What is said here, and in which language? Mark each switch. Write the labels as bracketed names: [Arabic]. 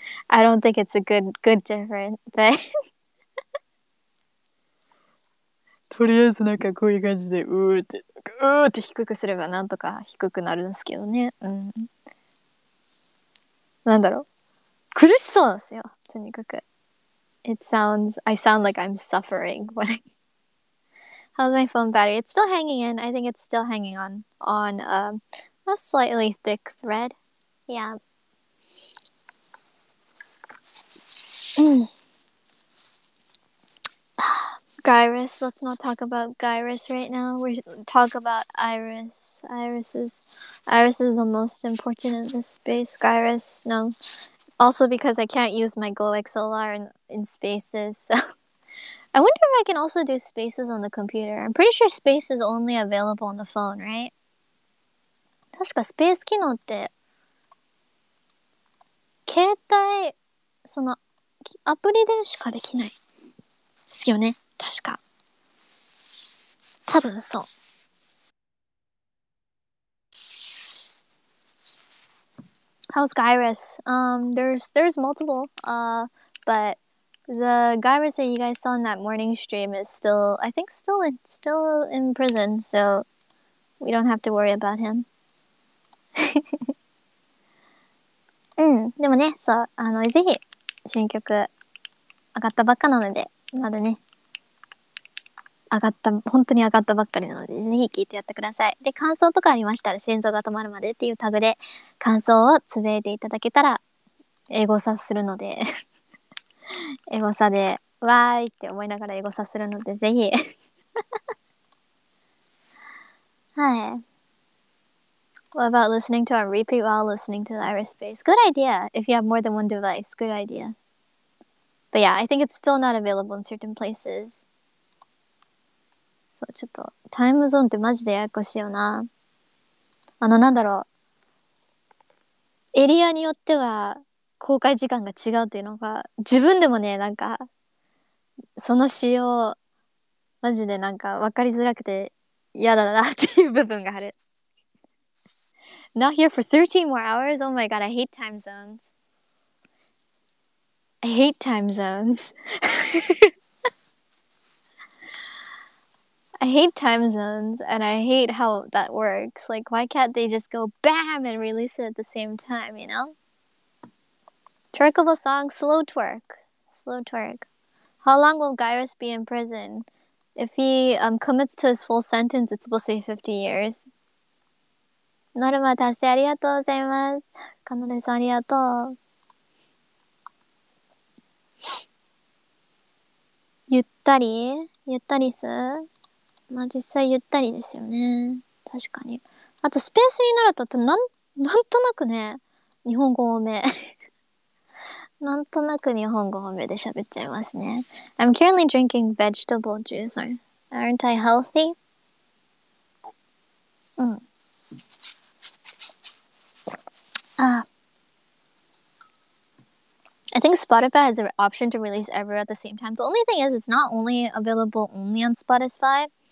[English] I don't think it's a good different, but [Japanese] とりあえずなんかこういう感じでうーって低くすればなんとか低くなるんですけどね。うん。なんだろう。苦しそうですよ。とにかく。 [English] It sounds, I sound like I'm suffering when I... How's my phone battery? It's still hanging in. I think it's still hanging on a slightly thick thread. Yeah. Gyrus, let's not talk about Gyrus right now. We talk about Iris. Iris is the most important in this space. Gyrus, no. Also because I can't use my GoXLR in spaces. So. I wonder if I can also do spaces on the computer. I'm pretty sure space is only available on the phone, right? [Japanese] 確かスペース機能って携帯そのアプリでしかできないですよね。確か。多分そう。 [English] How's Gyrus? There's multiple, but the Gyrus that you guys saw in that morning stream is still, I think, still in prison, so we don't have to worry about him. [Japanese] うん、でもね、そう、あの、ぜひ、新曲、上がったばっかなので、まだね、上がった、本当に上がったばっかりなので、ぜひ聴いてやってください。で、感想とかありましたら、心臓が止まるまでっていうタグで、感想をつぶえていただけたら、エゴサするので、エゴサで、わーいって思いながらエゴサするので、ぜひ。はい。 [English] What about listening to a repeat while listening to the Iris bass? Good idea. If you have more than one device, good idea. But yeah, I think it's still not available in certain places. そう、ちょっとタイムゾーンってマジでややこしいよな。あの、なんだろう。エリアによっては公開時間が違うというのが、自分でもね、なんか、その仕様、マジでなんか分かりづらくて嫌だなっていう部分がある。 Not here for 13 more hours? Oh my god, I hate time zones. I hate time zones. I hate time zones, and I hate how that works. Like, why can't they just go BAM and release it at the same time, you know? Twerkable song, slow twerk. Slow twerk. How long will Gyrus be in prison? If he commits to his full sentence, it's supposed to be 50 years. [Japanese] ノルマ達成ありがとうございます。カノネさんありがとう。ゆったり？ゆったりす？まあ実際ゆったりですよね。確かに。あとスペースになると、なんとなくね、日本語多め。なんとなく日本語多めで喋っちゃいますね。 [English] I'm currently drinking vegetable juice. Aren't I healthy? [Japanese] うん。 [English] I think Spotify has the option to release everywhere at the same time. The only thing is, it's not only available only on Spotify.